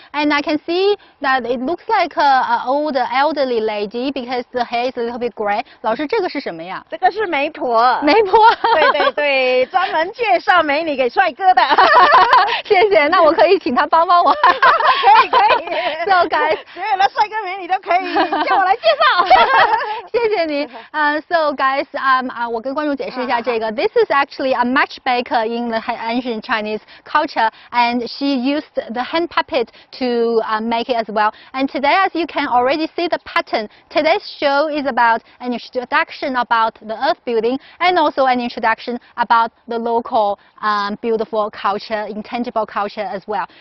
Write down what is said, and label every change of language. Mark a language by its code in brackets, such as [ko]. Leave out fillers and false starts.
[en] And I can see that it looks like an old elderly lady because the hair is a little bit gray. [zh] 老师，这个是什么呀？这个是媒婆。媒婆。对对对, 专门介绍美女给帅哥的。谢谢, 那我可以请他帮帮我。可以, 可以。 [en] So guys, [zh] 所有的帅哥美女都可以叫我来介绍。谢谢你。 [en] So guys, [zh] 我跟观众解释一下这个。 [en] This is actually a matchmaker in the ancient Chinese culture, and she used the hand puppet to make it as well. And today, as you can already see the pattern, today's show is about an introduction about the earth building and also an introduction about the local beautiful culture, intangible culture as well.